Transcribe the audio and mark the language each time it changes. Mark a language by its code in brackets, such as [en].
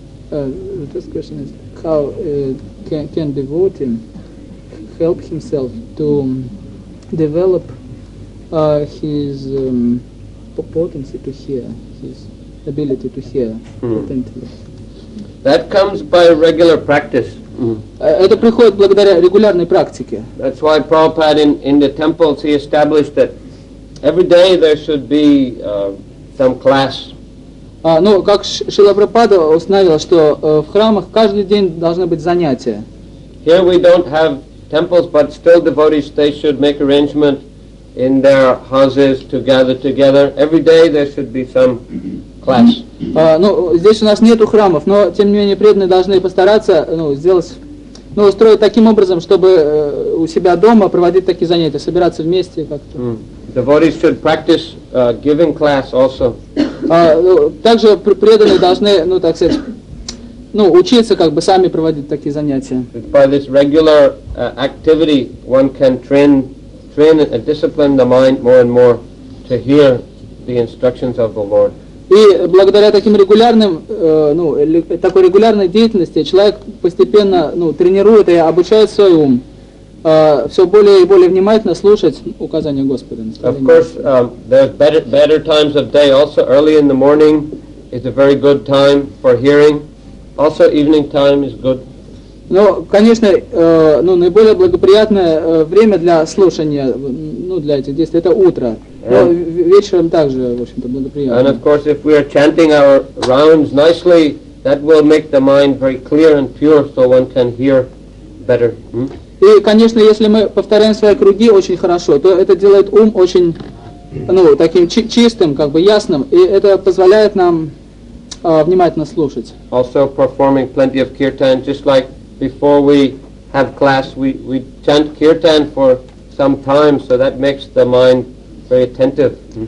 [en] The first question is how can devotee help himself to develop his potency to hear, his ability to hear attentively? That comes by regular practice. [ru] Это приходит благодаря регулярной практике. [en] That's why Prabhupada in the temples he established that every day there should be some class. [ru] Ну, как Шрила Прабхупада установил, что в храмах каждый день должны быть занятия. [en] Here we don't have temples, but still devotees, they should make arrangement in their houses to gather together. Every day there should be some class. [ru] Ну, здесь у нас нету храмов, но тем не менее преданные должны постараться, ну, сделать, ну, устроить таким образом, чтобы у себя дома проводить такие занятия, собираться вместе как-то. [en] Devotees should practice giving class also. [ru] Также преданные должны, ну, так сказать, ну, учиться как бы сами проводить такие занятия. [en] By this regular activity, one can train and discipline the mind more and more to hear the instructions of the Lord. [ru] И благодаря таким регулярным, ну, такой регулярной деятельности человек постепенно, ну, тренирует и обучает свой ум все более и более внимательно слушать указания Господа. [en] Of course, there's better times of day. Also, early in the morning is a very good time for hearing. Also, evening time is good. [ru] Ну, конечно, ну, наиболее благоприятное время для слушания, ну, для этих действий, это утро. Но вечером также, в общем-то, благоприятно. [en] And of course, if we are chanting our rounds nicely, that will make the mind very clear and pure, so one can hear better. [ru] И, конечно, если мы повторяем свои круги очень хорошо, то это делает ум очень, ну, таким чистым, как бы ясным, и это позволяет нам внимательно слушать. [en] Also performing plenty of kirtan, just like before we have class, we chant kirtan for some time, so that makes the mind very attentive.